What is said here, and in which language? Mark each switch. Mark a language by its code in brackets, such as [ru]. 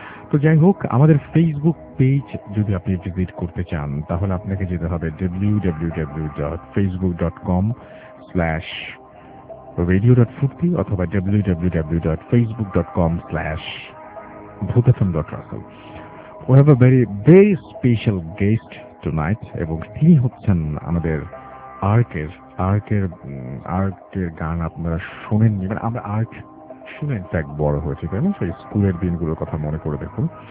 [bn] তো যাই হোক, আমাদের ফেসবুক পেজ যদি আপনি ভিজিট করতে চান তাহলে আপনাকে যেতে হবে www.facebook.com/radio.phurti অথবা www.facebook.com/bhutafm.rasal। [en] We have a very, very special guest tonight. [bn] এবং তিনি হচ্ছেন আমাদের আর্কের আর্কের গান আপনারা শোনেননি, মানে আমরা আর্ক শুনেন ফ্যাক্ট বড় হয়েছে, তাই না? সেই স্কুলের দিনগুলোর কথা মনে করে দেখুন।